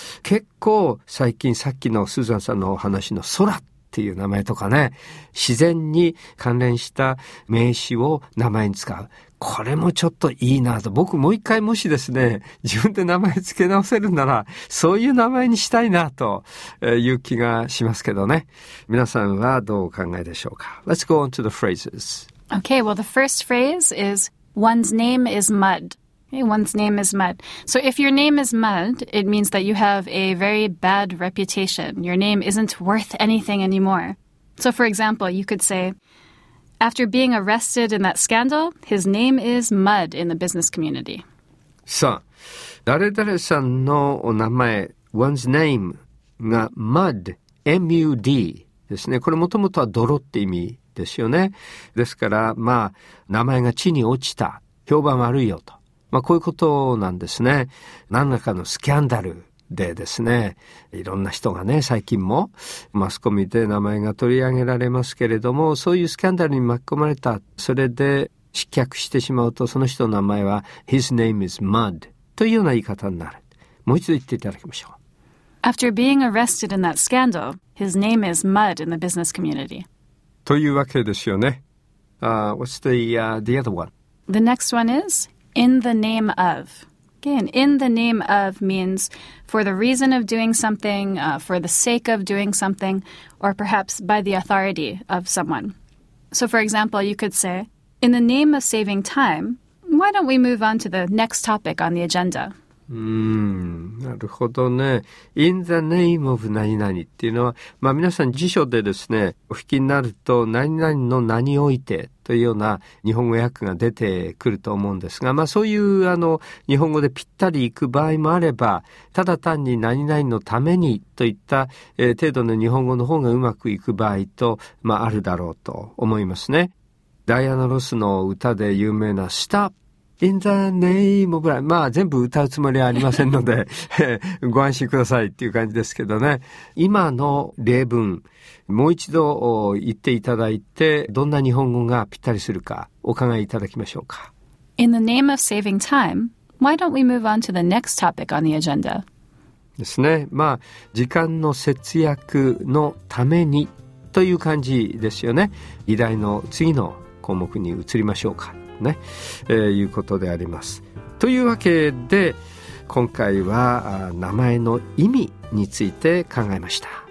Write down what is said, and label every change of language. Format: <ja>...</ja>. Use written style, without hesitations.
<ja>結構最近さっきのスーザンさんのお話の空っていう名前とかね、自然に関連した名詞を名前に使う、これもちょっといいなと。僕もう一回もしですね、自分で名前付け直せるならそういう名前にしたいなという気がしますけどね。皆さんはどうお考えでしょうか。</ja> <en>Let's go on to the phrases. Okay, well the first phrase is One's name is mud. One's name is mud. So if your name is mud, it means that you have a very bad reputation. Your name isn't worth anything anymore. So for example, you could say, after being arrested in that scandal, his name is mud in the business community.</en> <ja>さあ、誰々さんの名前、one's name が mud, M-U-D ですね。これもともとは泥って意味ですよね。ですから、まあ、名前が地に落ちた。評判悪いよと。まあこういうことなんですね。何らかのスキャンダルでですね、いろんな人がね、最近もマスコミで名前が取り上げられますけれども、そういうスキャンダルに巻き込まれた、それで失脚してしまうと、その人の名前は</ja> <en>His name is mud</en> <ja>というような言い方になる。もう一度言っていただきましょう。</ja> <en>After being arrested in that scandal, his name is mud in the business community.</en> <ja>というわけですよね。</ja> <en>What's the other one? The next one is... In the name of. Again, in the name of means for the reason of doing something, for the sake of doing something, or perhaps by the authority of someone. So for example, you could say, in the name of saving time, why don't we move on to the next topic on the agenda?</en> <ja>なるほどね。</ja> <en>In the name of</en> <ja>何々っていうのは、まあ皆さん辞書でですね、お引きになると何々の何おいてというような日本語訳が出てくると思うんですが、まあそういうあの日本語でぴったりいく場合もあれば、ただ単に何々のためにといった程度の日本語の方がうまくいく場合と、まああるだろうと思いますね。ダイアナ・ロスの歌で有名なスタップ。</ja> <en>In the name of life.</en> <ja>まあ全部歌うつもりはありませんので、ご安心くださいっていう感じですけどね。今の例文、もう一度言っていただいて、どんな日本語がぴったりするか、お考えいただきましょうか。</ja> <en>In the name of saving time, why don't we move on to the next topic on the agenda?</en> <ja>ですね。まあ、時間の節約のためにという感じですよね。議題の次の項目に移りましょうか。ね、いうことであります。というわけで今回は名前の意味について考えました。</ja>